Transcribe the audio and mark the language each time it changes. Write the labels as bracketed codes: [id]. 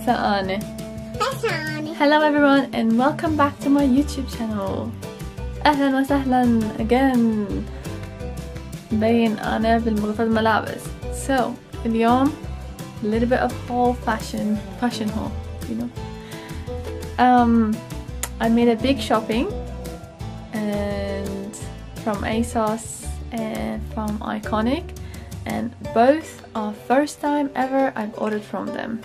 [en] Hello everyone and welcome back to my YouTube channel. [ar] اهلا وسهلا [en] again. [ar] بين انا بالغرفه ملابس. [en] So, [ar] اليوم [en] a little bit of haul fashion haul, you know. I made a big shopping and from ASOS and from ICONIC, and both are first time ever I've ordered from them.